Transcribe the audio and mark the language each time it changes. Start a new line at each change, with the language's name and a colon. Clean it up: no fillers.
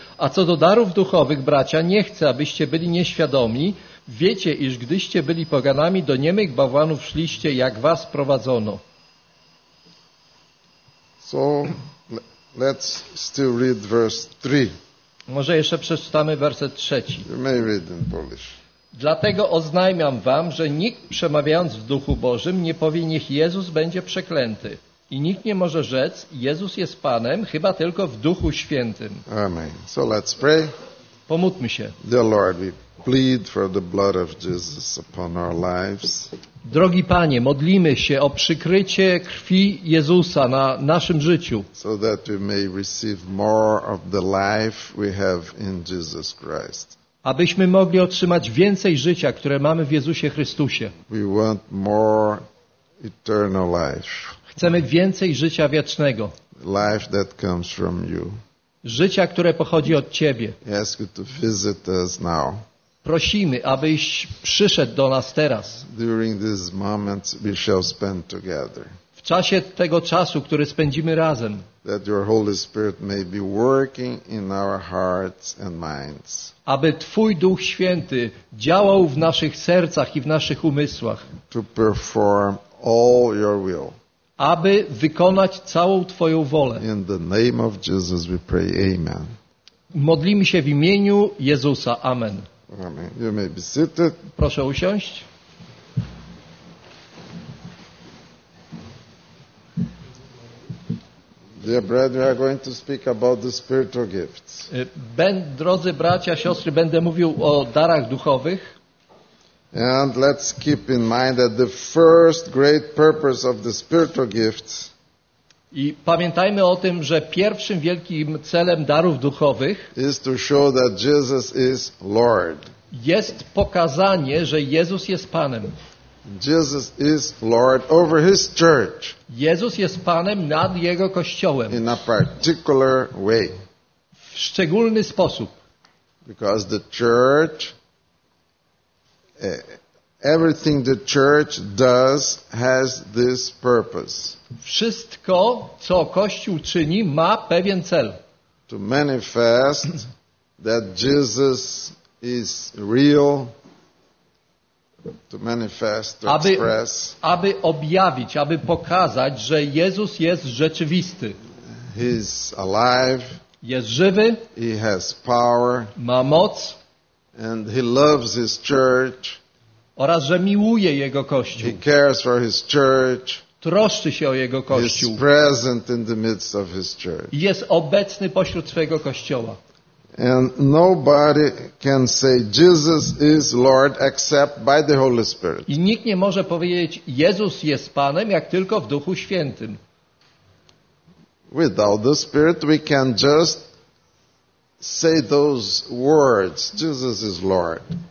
Polish: A co do darów duchowych, bracia, nie chcę, abyście byli nieświadomi. Wiecie, iż gdyście byli poganami, do niemych bałwanów szliście, jak was prowadzono.
English: So, let's still read verse 3.
Polish: Może jeszcze przeczytamy werset trzeci.
English: You may read in Polish.
Polish: Dlatego oznajmiam wam, że nikt przemawiając w Duchu Bożym nie powie, niech Jezus będzie przeklęty. I nikt nie może rzec, Jezus jest Panem, chyba tylko w Duchu Świętym.
English: Amen. So let's pray.
Polish: Pomódlmy się.
English: Dear Lord, we plead for the blood of Jesus upon our lives.
Polish: Drogi Panie, modlimy się o przykrycie krwi Jezusa na naszym życiu.
English: So that we may receive more of the life we have in Jesus Christ.
Polish: Abyśmy mogli otrzymać więcej życia, które mamy w Jezusie Chrystusie.
English: We want more eternal life.
Polish: Chcemy więcej życia wiecznego.
English: Life that comes from you.
Polish: Życia, które pochodzi od Ciebie.
English: Ask you to visit us now.
Polish: Prosimy, abyś przyszedł do nas teraz.
English: During this moment we shall spend together.
Polish: W czasie tego czasu, który spędzimy razem.
English: That your Holy Spirit may be working in our hearts and minds.
Polish: Aby Twój Duch Święty działał w naszych sercach i w naszych umysłach.
English: To perform all your will.
Polish: Aby wykonać całą Twoją wolę.
English: In the name of Jesus we pray, amen.
Polish: Modlimy się w imieniu Jezusa. Amen.
English: Amen. You may be seated.
Polish: Proszę usiąść.
English: Yes. Dear brethren, we are going to speak about the spiritual gifts.
Polish: Drodzy bracia, siostry, będę mówił o darach duchowych.
English: And let's keep in mind that the first great purpose of the spiritual gifts.
Polish: I pamiętajmy o tym, że pierwszym wielkim celem darów duchowych
English: is to show that Jesus is Lord.
Polish: Jest pokazanie, że Jezus jest Panem.
English: Jesus is Lord over his church.
Polish: Jezus jest Panem nad jego kościołem.
English: In a particular way.
Polish: W szczególny sposób.
English: Because the church, everything the church does has this purpose.
Polish: Wszystko, co Kościół czyni, ma pewien cel.
English: To manifest that Jesus is real. To manifest, to express.
Polish: Aby objawić, aby pokazać, że Jezus jest rzeczywisty.
English: He is alive.
Polish: Jest żywy.
English: He has power.
Polish: Ma moc.
English: And he loves his church.
Polish: Oraz że miłuje jego kościół.
English: He cares for his church.
Polish: Troszczy się o jego kościół.
English: He is present in the midst of his church.
Polish: Jest obecny pośród swojego kościoła.
English: And nobody can say Jesus is Lord except by the Holy Spirit.
Polish: I nikt nie może powiedzieć Jezus jest Panem jak tylko w Duchu Świętym.
English: Without the Spirit we can just say those words, Jesus is Lord.